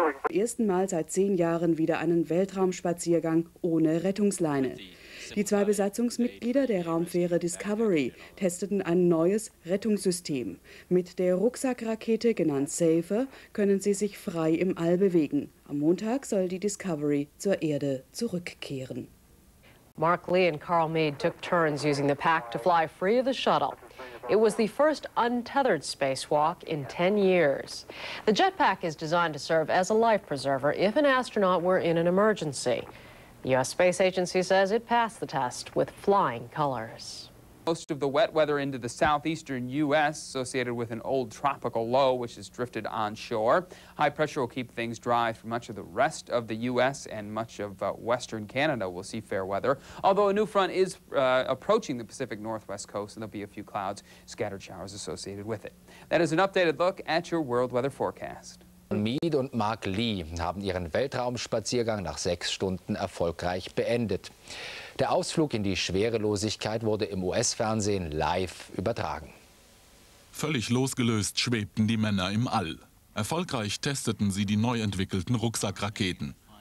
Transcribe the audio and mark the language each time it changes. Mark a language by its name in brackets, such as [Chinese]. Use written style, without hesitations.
[German] Zum ersten Mal seit 10 Jahren wieder einen Weltraumspaziergang ohne Rettungsleine. Die 2 Besatzungsmitglieder der Raumfähre Discovery testeten ein neues Rettungssystem. Mit der Rucksackrakete, genannt SAFER, können sie sich frei im All bewegen. Am Montag soll die Discovery zur Erde zurückkehren. [English] Mark Lee and Carl Meade took turns using the pack to fly free of the shuttle. It was the first untethered spacewalk in 10 years. The jetpack is designed to serve as a life preserver if an astronaut were in an emergency. The U.S. Space Agency says it passed the test with flying colors. Most of the wet weather into the southeastern U.S., associated with an old tropical low which has drifted onshore. High pressure will keep things dry for much of the rest of the U.S., and much of western Canada will see fair weather. Although a new front is approaching the Pacific Northwest coast, and there'll be a few clouds, scattered showers associated with it. That is an updated look at your world weather forecast. [German] Meade und Mark Lee haben ihren Weltraumspaziergang nach 6 Stunden erfolgreich beendet. Der Ausflug in die Schwerelosigkeit wurde im US-Fernsehen live übertragen. Völlig losgelöst schwebten die Männer im All. Erfolgreich testeten sie die neu entwickelten Rucksackraketen.